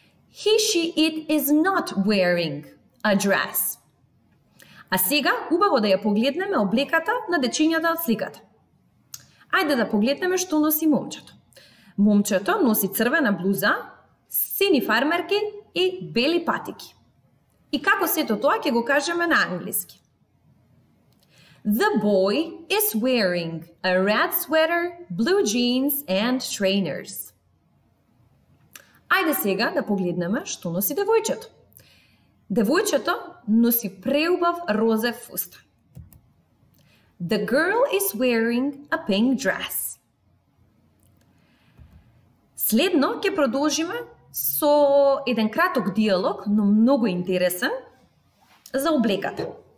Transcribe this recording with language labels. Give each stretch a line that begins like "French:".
English: He, she, it is not wearing a dress.
Macedonian: А сега, убаво да ја погледнеме облеката на дечињата од сликата. Ајде да погледнеме што носи момчето. Момчето носи црвена блуза, сини фармерки и бели патики. И како сето тоа ќе го кажеме на англиски?
English: The boy is wearing a red sweater, blue jeans and trainers.
Macedonian: Ајде сега да погледнеме што носи девојчето. Девојчето носи преубав розе фустан.
English: The girl is wearing a pink dress.
Macedonian: Следно ќе продолжиме со еден краток диалог, но многу интересен, за облеката.